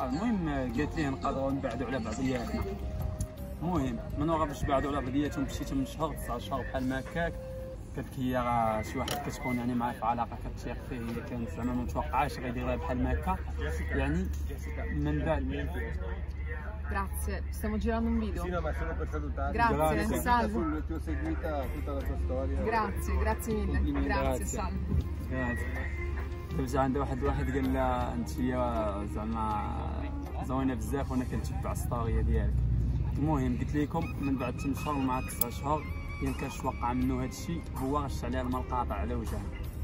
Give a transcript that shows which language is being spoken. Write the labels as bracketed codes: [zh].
[ar] المهم قالت ليه نقدروا نبعدوا على بعضياتنا. المهم من وقع باش بعدوا على بعضياتهم مشيت من شهر 19 بحال ما هكاك، قالت لك هي شي واحد كتكون يعني معاه في علاقة كتثيق فيه، هي كانت زعما ما متوقعاش غيديرها بحال ما هكا. يعني من بعد [it] Grazie, stiamo girando un video. Sì, no, ma solo per salutare. Grazie, salve. Ti ho seguita tutta la tua storia. Grazie, grazie mille. Grazie, salve. Grazie. [ar] رجع عند واحد قال لها انت هي زعما زوينه بزاف وانا كنتبع ستوريا ديالك. المهم قلت لكم من بعد 8 شهور مع 9 شهور يمكنش وقع منه هذا الشيء، هو غش عليها المقاطع على وجهها.